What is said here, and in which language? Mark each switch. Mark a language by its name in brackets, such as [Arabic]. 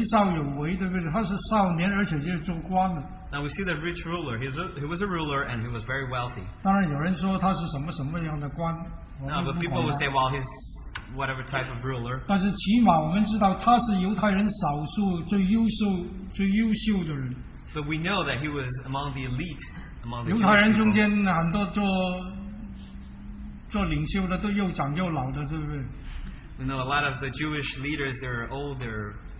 [Chinese] 但是你看这个财主年少有为，对不对？他是少年，而且就做官了。 [English] Now we see the rich ruler. He was a ruler and he was very wealthy. [Chinese] 当然有人说他是什么什么样的官。 [English] Now, but people will say, well, he's whatever type of ruler. [Chinese] 但是起码我们知道他是犹太人少数最优秀的人。 [English] But we know that he was among the elite, among the Jewish people. [Chinese] 犹太人中间很多做领袖的都又长又老的，对不对？ [English] You know, a lot of the Jewish leaders, they're older,